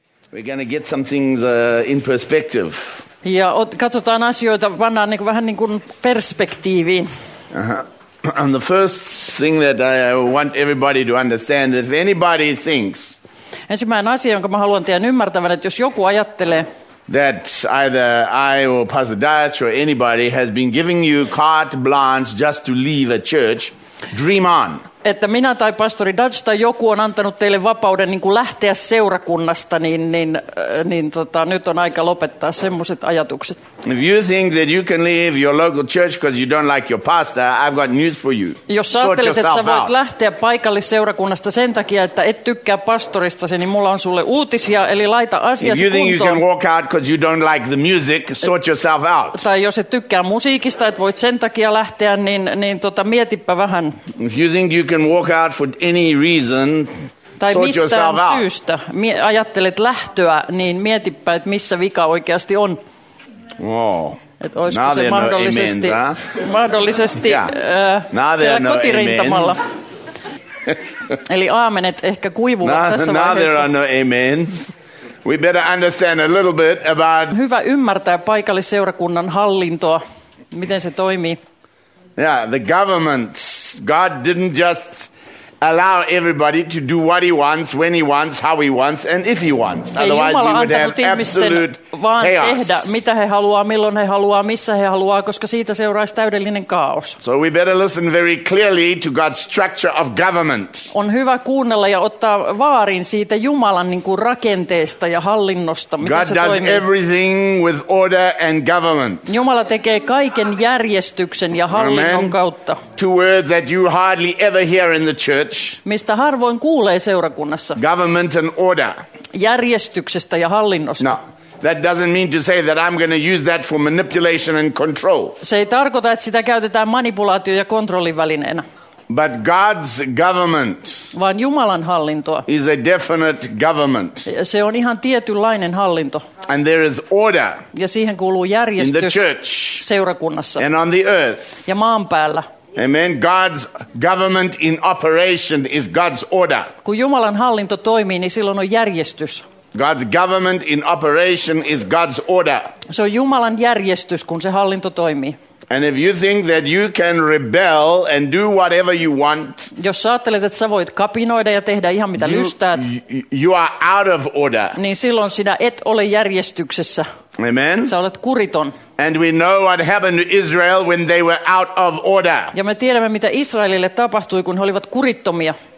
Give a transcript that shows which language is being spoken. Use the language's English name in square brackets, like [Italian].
[English] We're going to get some things in perspective. [Finnish] Ja katsotaan asioita, pannaan niin kuin, vähän niin kuin perspektiiviin. [English] And the first thing that I want everybody to understand is if anybody thinks. [Finnish] Ensimmäinen asia, jonka mä haluan teidän ymmärtävän, että jos joku ajattelee. [English] That either I or Pastor Dutch or anybody has been giving you carte blanche just to leave a church. Dream on. [Finnish] Että minä tai pastori Dutch tai joku on antanut teille vapauden niin kuin lähteä seurakunnasta, niin nyt on aika lopettaa semmoiset ajatukset. [English] If you think that you can leave your local church because you don't like your pastor, I've got news for you. [Finnish] Jos ajattelet, että sä voit lähteä paikallisseurakunnasta sen takia, että et tykkää pastoristasi, niin mulla on sulle uutisia, eli laita asiasi kuntoon. [English] If you think you can walk out because you don't like the music, sort yourself out. [Finnish] Tai jos et tykkää musiikista, et voit sen takia lähteä, niin mietipä vähän. [English] If you think you can walk out for any reason, [Finnish] tai [English] sort yourself out. [Finnish] Syystä ajattelet lähtöä, niin mietipä, että missä vika oikeasti on. [English] Wow. [Finnish] Et olisiko se mahdollisesti, no mahdollisesti [English] yeah. [Finnish] Siellä no kotirintamalla. Eli aamenet ehkä kuivuvat tässä vaiheessa. [English] Now there are no amens. We better understand a little bit about. [Finnish] Hyvä ymmärtää paikallisseurakunnan hallintoa, miten se toimii. [English] Yeah, the government, God didn't just allow everybody to do what he wants, when he wants, how he wants, and if he wants. Otherwise [Finnish] Jumala [English] we would have absolute [Finnish] vaan [English] chaos. [Finnish] Tehdä, mitä he haluaa, milloin he haluaa, missä he haluaa, koska siitä seuraisi täydellinen kaos. [English] So we better listen very clearly to God's structure of government. [Finnish] On hyvä kuunnella ja ottaa vaarin siitä Jumalan niin kuin rakenteesta ja hallinnosta, miten [English] God [Finnish] se toimii. [English] God does everything with order and government. [Finnish] Jumala tekee kaiken järjestyksen ja hallinnon [English] Amen. [Finnish] Kautta. [English] Two words that you hardly ever hear in the church. [Finnish] Mistä harvoin kuulee seurakunnassa. [English] Government and order. [Finnish] Järjestyksestä ja hallinnosta. [English] No, that doesn't mean to say that I'm going to use that for manipulation and control. [Finnish] Se ei tarkoita, että sitä käytetään manipulaatio- ja kontrollivälineenä. [English] But God's government. [Finnish] Vaan Jumalan hallintoa. [English] Is a definite government. [Finnish] Se on ihan tietynlainen hallinto. [English] And there is order. [Finnish] Ja siihen kuuluu järjestys. [English] In the church. [Finnish] Seurakunnassa. [English] And on the earth. [Finnish] Ja maan päällä. [English] Amen. God's government in operation is God's order. [Finnish] Kun Jumalan hallinto toimii, niin silloin on järjestys. [English] God's government in operation is God's order. [Finnish] Se on Jumalan järjestys, kun se hallinto toimii. [English] And if you think that you can rebel and do whatever you want, [Finnish] jos ajattelet, että sä voit kapinoida ja tehdä ihan mitä lystäät, [English] you are out of order. [Finnish] Niin silloin sinä et ole järjestyksessä. [English] Amen. [Finnish] Sä olet kuriton. [English] And we know what happened to Israel when they were out of order. [Finnish] Ja me tiedämme, mitä Israelille tapahtui, kun he olivat kurittomia.